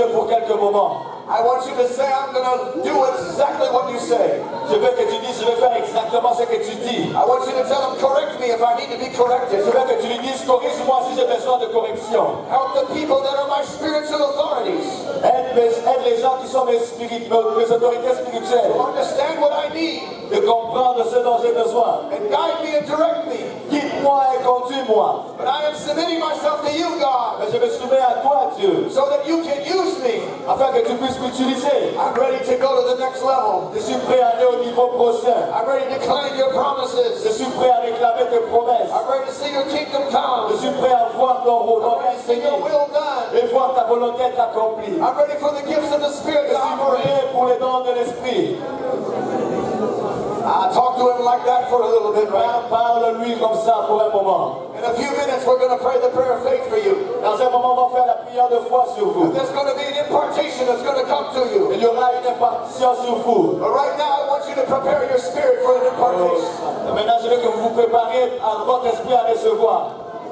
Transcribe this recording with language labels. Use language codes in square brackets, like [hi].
[en] I want you to say, I'm going to do exactly what you say. [fr] Je veux que tu dises, je vais faire exactement ce que tu dis. [en] I want you to tell them, correct me if I need to be corrected. [fr] Je veux que tu lui dises, corrige-moi si j'ai besoin de correction. [en] Help the people that are my spiritual authorities. [fr] Aide les gens qui sont mes autorités spirituelles. [en] To understand what I need. [fr] De comprendre ce dont j'ai besoin. [en] And guide me and direct me. [fr] Guide-moi et conduis-moi. [en] But I am submitting myself to you, God. [fr] Mais je me soumets à toi, Dieu. [en] So that you can use me. [fr] Afin que tu puisses m'utiliser. [en] I'm ready to go to the next level. [fr] Je suis prêt à aller au niveau prochain. [en] I'm ready to claim your promises. [fr] Je suis prêt à réclamer tes promesses. [en] I'm ready to see your kingdom come. [fr] Je suis prêt à voir ton royaume. [en] I'm ready to see your will done. [fr] Et voir ta volonté être accomplie. [en] I'm ready for the gifts of the Spirit. [fr] Je suis prêt pour les dons de l'Esprit. [en] I talk to him like that for a little bit, right? [fr] Parle à lui comme ça pour un moment. [en] In a few minutes, we're going to pray the prayer of faith for you. [fr] Dans un moment, on va faire la prière de foi sur vous. [en] And there's going to be an impartation that's going to come to you. [fr] Il y aura une impartition sur vous. [en] But right now, I want you to prepare your spirit for an impartation. [fr] Et maintenant, je veux que vous vous prépariez à votre esprit à recevoir.